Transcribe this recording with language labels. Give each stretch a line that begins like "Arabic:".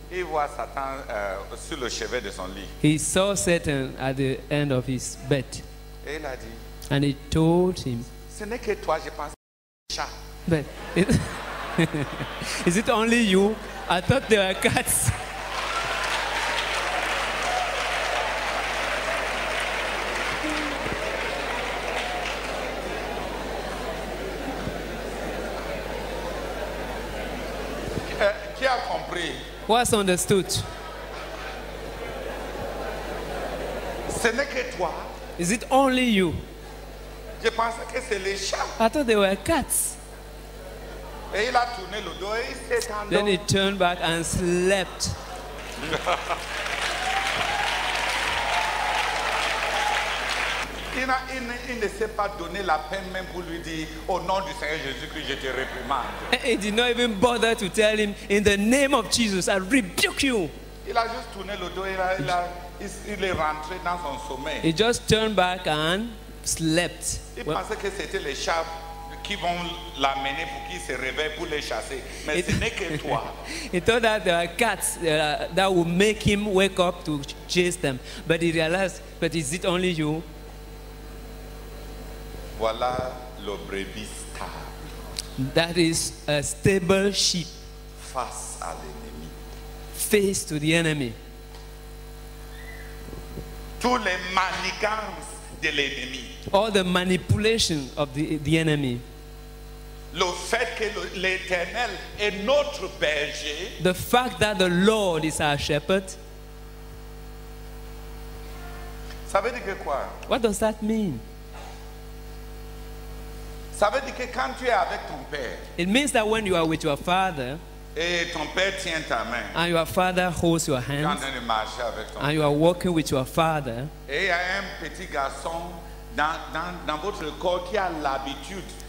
French: il voit Satan sur le chevet de son lit.
English: He saw Satan at the end of his bed.
French: Et il a dit.
English: And he told him.
French: Ce n'est que toi, je pense. Chat.
English: But is it only you? I thought there were cats. Thank you.
French: compris.
English: What's understood?
French: Ce n'est que toi.
English: Is it only you?
French: Je pensais que c'est les chats.
English: I thought they were cats.
French: Et il a tourné le dos et il s'est endormi.
English: Then he turned back and slept.
French: Il ne s'est pas donné la peine même pour lui dire au nom du Seigneur Jésus-Christ je te réprimande.
English: He did not even bother to tell him in the name of Jesus I rebuke you.
French: Il a juste tourné le dos et il est rentré dans son sommeil.
English: He just turned back and slept.
French: Il pensait que c'était les chats qui vont l'amener pour qu'il se réveille pour les chasser. Mais ce n'est que toi.
English: He thought that there are cats that will make him wake up to chase them. But he realized, but is it only you?
French: Voilà le brebis stable.
English: That is a stable sheep.
French: Face à l'ennemi.
English: Face to the enemy.
French: Tous les manigances de l'ennemi.
English: All the manipulation of the enemy.
French: Le fait que l'Éternel est notre berger.
English: The fact that the Lord is our shepherd.
French: Ça veut dire que quoi?
English: What does that mean?
French: Ça veut dire que quand tu es avec ton père.
English: It means that when you are with your father.
French: Et ton père tient ta main.
English: And your father holds your hand.
French: Tu es en train de marcher avec ton père.
English: You are walking with your father.
French: Et il y a un petit garçon dans votre corps qui a l'habitude.